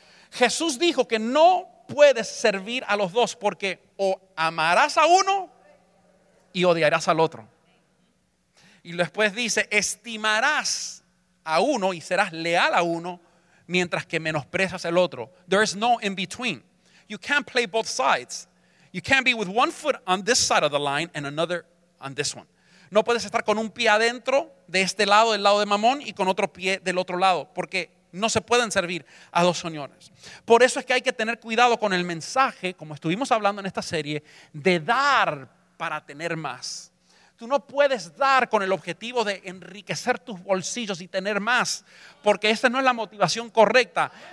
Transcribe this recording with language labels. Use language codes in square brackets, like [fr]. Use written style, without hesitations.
[es] Jesús dijo que no puedes servir a los dos, porque o amarás a uno y odiarás al otro. Y después dice: estimarás a uno y serás leal a uno, mientras que menosprecias al otro. [en] There is no in between. You can't play both sides. You can't be with one foot on this side of the line and another on this one. [es] No puedes estar con un pie adentro de este lado, del lado de Mamón, y con otro pie del otro lado, porque no se pueden servir a dos señores. Por eso es que hay que tener cuidado con el mensaje, como estuvimos hablando en esta serie, de dar para tener más. Tú no puedes dar con el objetivo de enriquecer tus bolsillos y tener más, porque esa no es la motivación correcta.